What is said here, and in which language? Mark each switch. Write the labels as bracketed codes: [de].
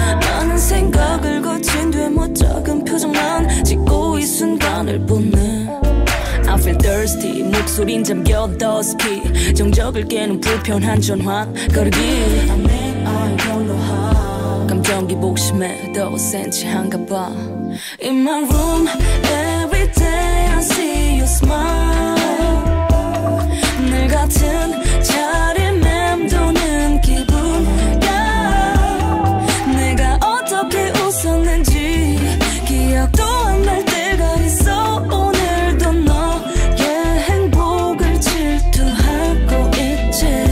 [ko] 많은 생각을 거친 뒤에 못 적은 표정만 짓고 이 순간을 보내. [en] I feel thirsty, [ko] 목소린 잠겨 더스키. 정적을 깨는 불편한 전화 거르기. [en] I mean, I don't know how. [ko] 감정기 복심에 더 센치한가 봐. [en] In my room, every day I see you smile. [ko] 늘 같은 자리 맴도는 기분. 야, 내가 어떻게 웃었는지 기억도 안 날 때가 있어. 오늘도 너의 행복을 질투하고 있지.